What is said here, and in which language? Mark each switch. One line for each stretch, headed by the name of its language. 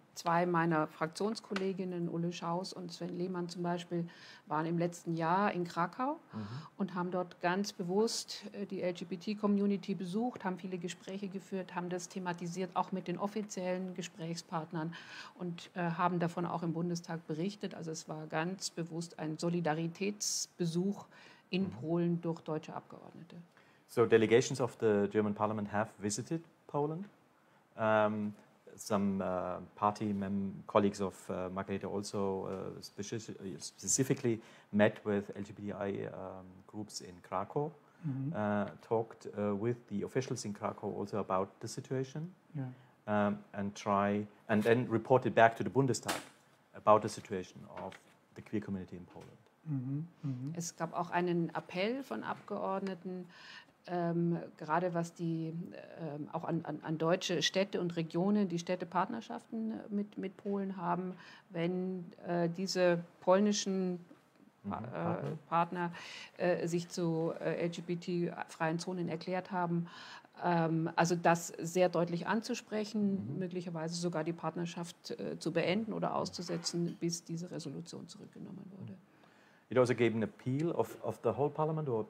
German: Zwei meiner Fraktionskolleginnen, Ulle Schaus und Sven Lehmann zum Beispiel, waren im letzten Jahr in Krakau und haben dort ganz bewusst die LGBT-Community besucht, haben viele Gespräche geführt, haben das thematisiert, auch mit den offiziellen Gesprächspartnern und haben davon auch im Bundestag berichtet. Also es war ganz bewusst ein Solidaritätsbesuch in Polen durch deutsche Abgeordnete.
English: So delegations of the German Parliament have visited Poland. Some party colleagues of Margarete also specifically met with LGBTI groups in Krakow, talked with the officials in Krakow also about the situation, and then reported back to the Bundestag about the situation of the queer community in Poland.
German: Es gab auch einen Appell von Abgeordneten, gerade was die auch an deutsche Städte und Regionen, die Städtepartnerschaften mit Polen haben, wenn diese polnischen Partner sich zu LGBT-freien Zonen erklärt haben, also das sehr deutlich anzusprechen, möglicherweise sogar die Partnerschaft zu beenden oder auszusetzen, bis diese Resolution zurückgenommen wurde.
English: It also gave an appeal of the whole parliament or